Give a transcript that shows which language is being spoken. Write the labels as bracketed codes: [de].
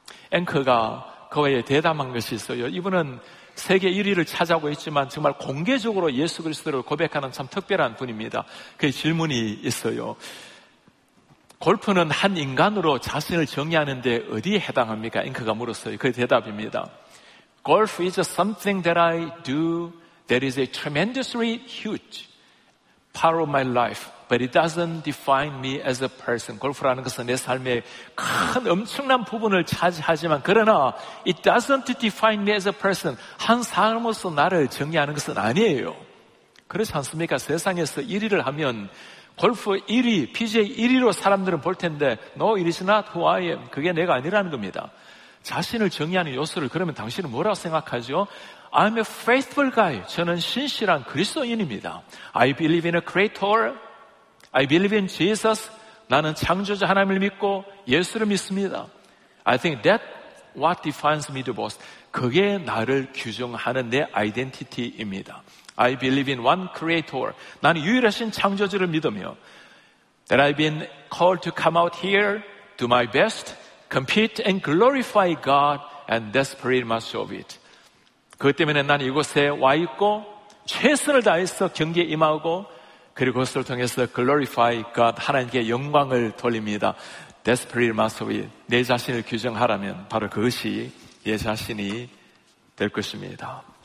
[ko] 앵커가 그와의 대담한 것이 있어요. 이분은 세계 1위를 차지하고 있지만 정말 공개적으로 예수 그리스도를 고백하는 참 특별한 분입니다. 그의 질문이 있어요. 골프는 한 인간으로 자신을 정의하는데 어디에 해당합니까? 앵커가 물었어요. 그 대답입니다. [en] Golf is something that I do that is a tremendously huge part of my life, but it doesn't define me as a person. [ko] 골프라는 것은 내 삶의 큰 엄청난 부분을 차지하지만 그러나 [en] it doesn't define me as a person. [ko] 한 사람으로서 나를 정의하는 것은 아니에요. 그렇지 않습니까? 세상에서 1위를 하면 골프 1위, PGA 1위로 사람들은 볼 텐데 [en] No, it is not who I am. [ko] 그게 내가 아니라는 겁니다. 자신을 정의하는 요소를 그러면 당신은 뭐라고 생각하죠? [en] I'm a faithful guy. [ko] 저는 신실한 그리스도인입니다. [en] I believe in a creator. I believe in Jesus. [ko] 나는 창조자 하나님을 믿고 예수를 믿습니다. [en] I think that what defines me the most. [ko] 그게 나를 규정하는 내 아이덴티티입니다. [en] I believe in one creator. [ko] 나는 유일하신 창조주를 믿으며 [en] that I've been called to come out here, do my best, compete and glorify God, and that's pretty much of it. [ko] 그것 때문에 난 이곳에 와 있고 최선을 다해서 경기에 임하고 그리고 그것을 통해서 glorify God, 하나님께 영광을 돌립니다. [en] Desperate must we, [ko] 내 자신을 규정하라면 바로 그것이 내 자신이 될 것입니다.